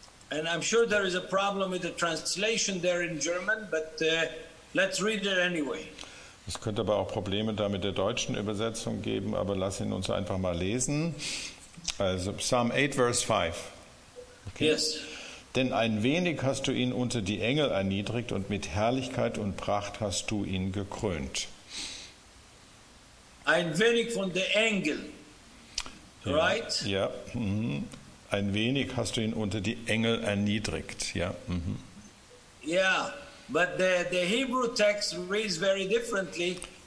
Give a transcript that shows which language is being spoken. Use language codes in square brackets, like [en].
[en] And I'm sure there is a problem with the translation there in German, but let's read it anyway. [de] Es könnte aber auch Probleme da mit der deutschen Übersetzung geben, aber lass ihn uns einfach mal lesen. Also Psalm 8, Vers 5. [en] Okay. Yes. [de] Denn ein wenig hast du ihn unter die Engel erniedrigt und mit Herrlichkeit und Pracht hast du ihn gekrönt. Ein wenig von der Engel. [en] Right? [de] Ja. Ja. Mhm. Ein wenig hast du ihn unter die Engel erniedrigt, ja. Mhm. [en] Yeah, but the Hebrew text reads very differently.